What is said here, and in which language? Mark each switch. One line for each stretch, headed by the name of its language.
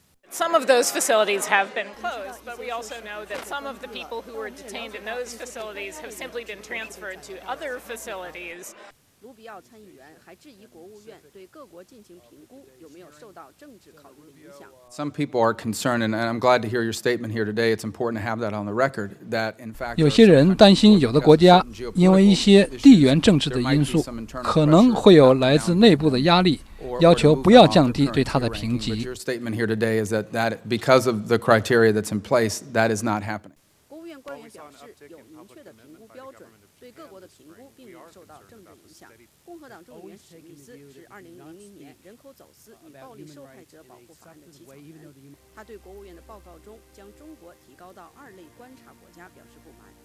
English: Some of those facilities have been closed, but we also know that some of the people who were detained in those facilities have simply been transferred to other facilities.
Chinese: 卢比奥参议员还质疑国务院对各国进行评估有没有受到政治考虑的影响。
English: Some people are concerned, and I'm glad to hear your statement here today. It's important to have that on the record. That in fact,
Chinese: 有些人担心有的国家因为一些地缘政治的因素，可能会有来自内部的压力。要求不要降低对他的评级。
English: Your statement here today is that because of the criteria that's in place, that is not happening.
Chinese: 国务院官员表示，有明确的评估标准，对各国的评估并没有受到政治影响。共和党众议员史密斯是2000年人口走私与暴力受害者保护法案的起草人，他对国务院的报告中将中国提高到二类观察国家表示不满。